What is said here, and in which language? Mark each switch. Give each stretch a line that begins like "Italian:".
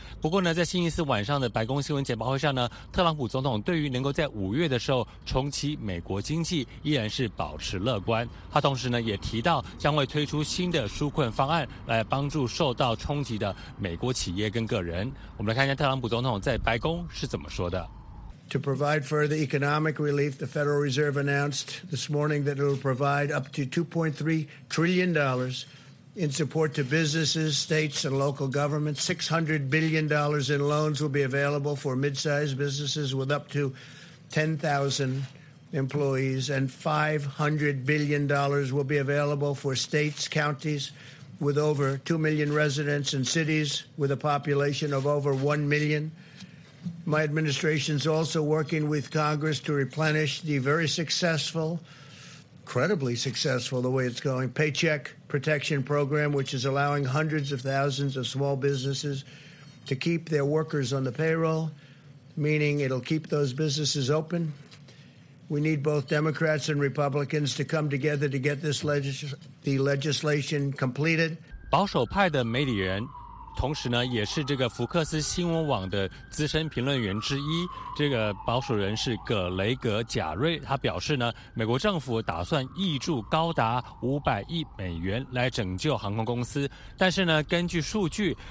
Chinese: 不过呢，在星期四晚上的白宫新闻简报会上呢，特朗普总统对于能够在五月的时候重启美国经济依然是保持乐观。他同时呢也提到将会推出新的纾困方案来帮助受到冲击的美国企业跟个人。我们来看一下特朗普总统在白宫是怎么说的。
English: To provide further economic relief, the Federal Reserve announced this morning that it will provide up to $2.3 trillion in support to businesses, states, and local governments. $600 billion in loans will be available for mid-sized businesses with up to 10,000 employees, and $500 billion will be available for states, counties with over 2 million residents, and cities with a population of over 1 million. My administration is also working with Congress to replenish the very successful, incredibly successful, the way it's going, Paycheck Protection Program, which is allowing hundreds of thousands of small businesses to keep their workers on the payroll, meaning it'll keep those businesses open. We need both Democrats and Republicans to come together to get this legislation completed.
Chinese: 保守派的媒体人同时呢也是这个福克斯新闻网的资深评论员之一，这个保守人士葛雷格贾瑞，他表示呢，美国政府打算挹注高达500亿美元来拯救航空公司，但是呢根据数据，